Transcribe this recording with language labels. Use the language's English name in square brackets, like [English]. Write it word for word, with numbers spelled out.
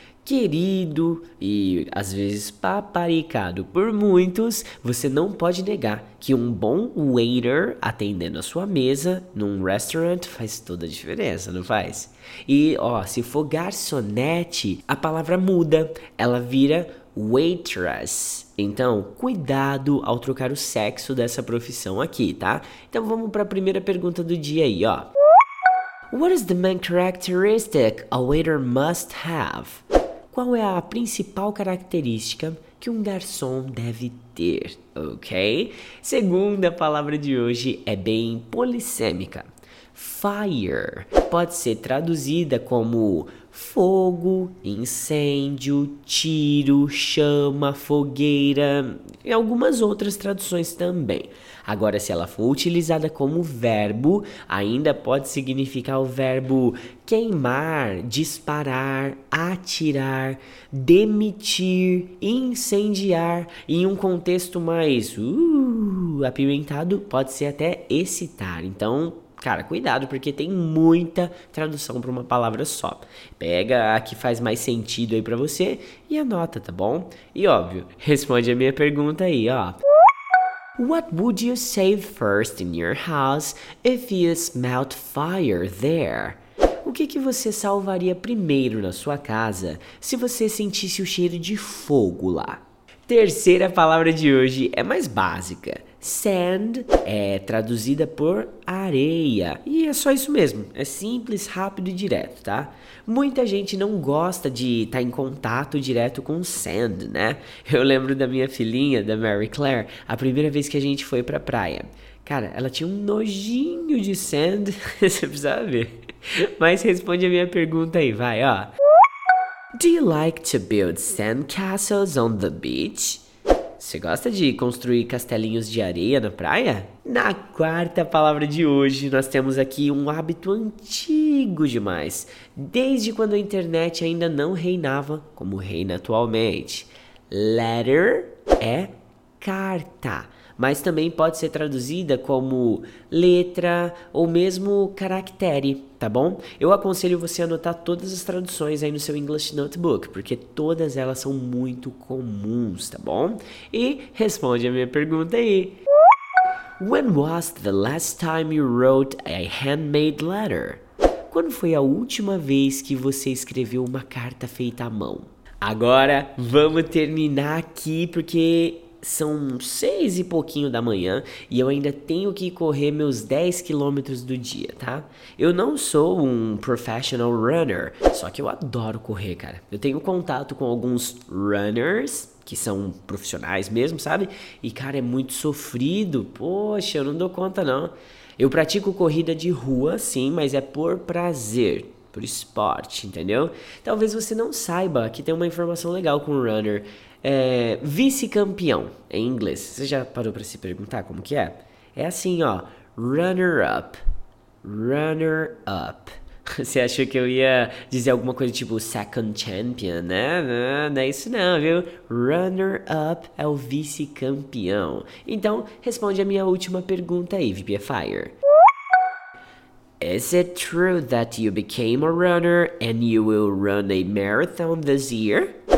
[Portuguese] Querido e às vezes paparicado por muitos, você não pode negar que um bom waiter atendendo a sua mesa num restaurant faz toda a diferença, não faz? E ó, se for garçonete, a palavra muda, ela vira waitress. Então, cuidado ao trocar o sexo dessa profissão aqui, tá? Então vamos para a primeira pergunta do dia aí, ó. [English] What is the main characteristic a waiter must have? [Portuguese] Qual é a principal característica que um garçom deve ter, ok? Segunda palavra de hoje é bem polissêmica. Fire pode ser traduzida como fogo, incêndio, tiro, chama, fogueira e algumas outras traduções também. Agora, se ela for utilizada como verbo, ainda pode significar o verbo queimar, disparar, atirar, demitir, incendiar. Em um contexto mais uh, apimentado, pode ser até excitar. Então, cara, cuidado, porque tem muita tradução para uma palavra só. Pega a que faz mais sentido aí para você e anota, tá bom? E óbvio, responde a minha pergunta aí, ó. [English] What would you save first in your house if you smelled fire there? [Portuguese] O que que você salvaria primeiro na sua casa se você sentisse o cheiro de fogo lá? Terceira palavra de hoje é mais básica. Sand é traduzida por areia. E é só isso mesmo. É simples, rápido e direto, tá? Muita gente não gosta de estar tá em contato direto com sand, né? Eu lembro da minha filhinha, da Mary Claire, a primeira vez que a gente foi pra praia. Cara, ela tinha um nojinho de sand, você precisava ver. Mas responde a minha pergunta aí, vai, ó. [English] Do you like to build sand castles on the beach? [Portuguese] Você gosta de construir castelinhos de areia na praia? Na quarta palavra de hoje, nós temos aqui um hábito antigo demais, desde quando a internet ainda não reinava como reina atualmente. Letter é carta, mas também pode ser traduzida como letra ou mesmo caractere, tá bom? Eu aconselho você a anotar todas as traduções aí no seu English Notebook, porque todas elas são muito comuns, tá bom? E responde a minha pergunta aí. [English] When was the last time you wrote a handmade letter? [Portuguese] Quando foi a última vez que você escreveu uma carta feita à mão? Agora, vamos terminar aqui porque são seis e pouquinho da manhã e eu ainda tenho que correr meus dez quilômetros do dia, tá? Eu não sou um [English] professional runner, [Portuguese] só que eu adoro correr, cara. Eu tenho contato com alguns runners, que são profissionais mesmo, sabe? E, cara, é muito sofrido. Poxa, eu não dou conta, não. Eu pratico corrida de rua, sim, mas é por prazer, por esporte, entendeu? Talvez você não saiba que tem uma informação legal com o runner. É, vice-campeão, em inglês. Você já parou pra se perguntar como que é? É assim, ó. [English] Runner-up. Runner-up. [Portuguese] Você achou que eu ia dizer alguma coisa tipo [English] second champion, [Portuguese] né? Não, não é isso não, viu? Runner-up é o vice-campeão. Então, responde a minha última pergunta aí, V P Fire. [English] Is it true that you became a runner and you will run a marathon this year?